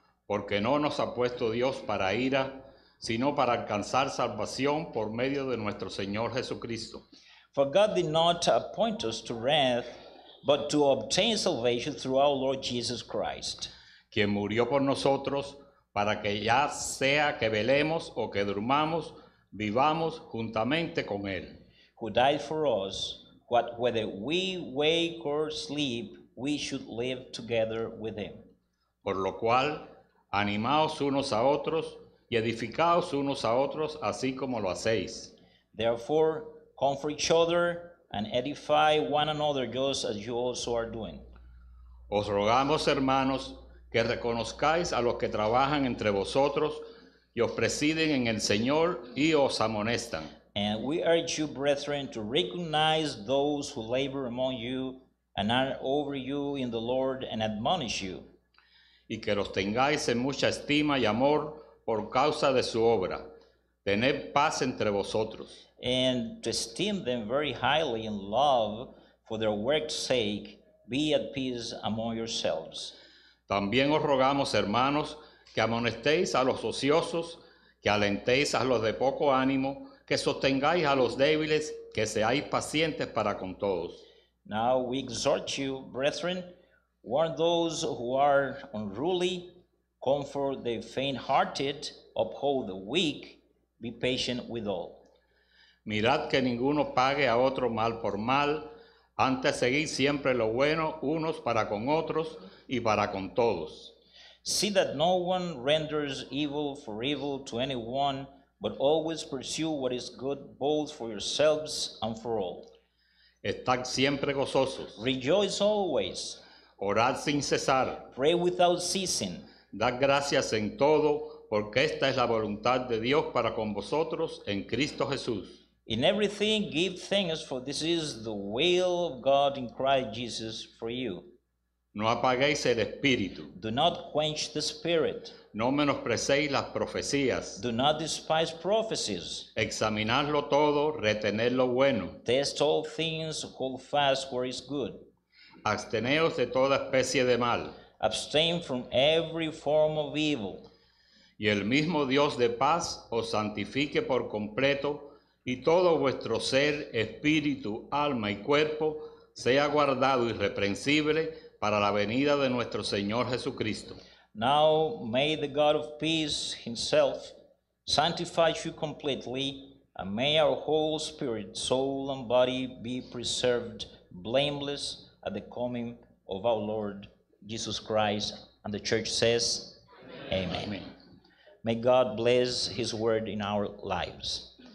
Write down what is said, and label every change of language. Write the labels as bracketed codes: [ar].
[es] Porque no nos ha puesto Dios para ira, sino para alcanzar salvación por medio de nuestro Señor Jesucristo. [en] For God did not appoint us to wrath, but to obtain salvation through our Lord Jesus Christ. [es] Quien murió por nosotros, para que ya sea que velemos o que durmamos, vivamos juntamente con Él. [en] Who died for us, what, whether we wake or sleep, we should live together with Him. [es] Por lo cual, animaos unos a otros y edificaos unos a otros, así como lo hacéis. [en] Therefore, comfort each other and edify one another just as you also are doing. [es] Os rogamos, hermanos, que reconozcáis a los que trabajan entre vosotros y os presiden en el Señor y os amonestan. [en] And we urge you, brethren, to recognize those who labor among you and are over you in the Lord and admonish you. [es] Y que los tengáis en mucha estima y amor por causa de su obra. Tened paz entre vosotros. [en] And to esteem them very highly in love for their work's sake, be at peace among yourselves. [es] También os rogamos, hermanos, que amonestéis a los ociosos, que alentéis a los de poco ánimo, que sostengáis a los débiles, que seáis pacientes para con todos. [en] Now we exhort you, brethren, warn those who are unruly, comfort the faint-hearted, uphold the weak, be patient with all. [es] Mirad que ninguno pague a otro mal por mal, antes seguid siempre lo bueno unos para con otros, y para con todos. [en] See that no one renders evil for evil to anyone, but always pursue what is good both for yourselves and for all. [es] Estad siempre gozosos. [en] Rejoice always. [es] Orad sin cesar. [en] Pray without ceasing. [es] Dad gracias en todo, porque esta es la voluntad de Dios para con vosotros en Cristo Jesús. [en] In everything give thanks, for this is the will of God in Christ Jesus for you. [es] No apaguéis el espíritu. [en] Do not quench the spirit. [es] No menosprecéis las profecías. [en] Do not despise prophecies. [es] Examinadlo todo, retened lo bueno. [en] Test all things, hold fast what is good. [es] Absteneos de toda especie de mal. [en] Abstain from every form of evil. [es] Y el mismo Dios de paz os santifique por completo, y todo vuestro ser, espíritu, alma y cuerpo sea guardado irreprensible para la venida de nuestro Señor Jesucristo. [en] Now may the God of peace himself sanctify you completely, and may our whole spirit, soul, and body be preserved blameless at the coming of our Lord Jesus Christ. And the church says, amen. Amen. May God bless his word in our lives.